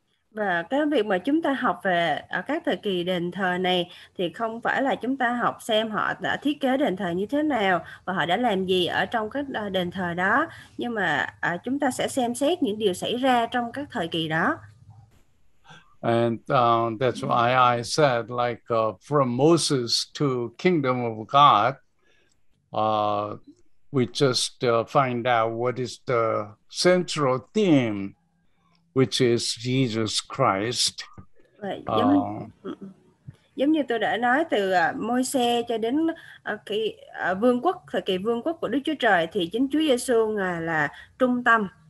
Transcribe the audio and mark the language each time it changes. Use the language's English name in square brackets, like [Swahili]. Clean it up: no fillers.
[Vietnamese] Và cái việc mà chúng ta học về ở các thời kỳ đền thờ này thì không phải là chúng ta học xem họ đã thiết kế đền thờ như thế nào và họ đã làm gì ở trong các đền thờ đó, nhưng mà chúng ta sẽ xem xét những điều xảy ra trong các thời kỳ đó. [English] And that's why I said, like, from Moses to Kingdom of God, we just find out what is the central theme, which is Jesus Christ. [Vietnamese] Giống như tôi đã nói, từ Môi-se cho đến vương quốc, thời kỳ vương quốc của Đức Chúa Trời, thì chính Chúa Giê-xu Ngài là trung tâm.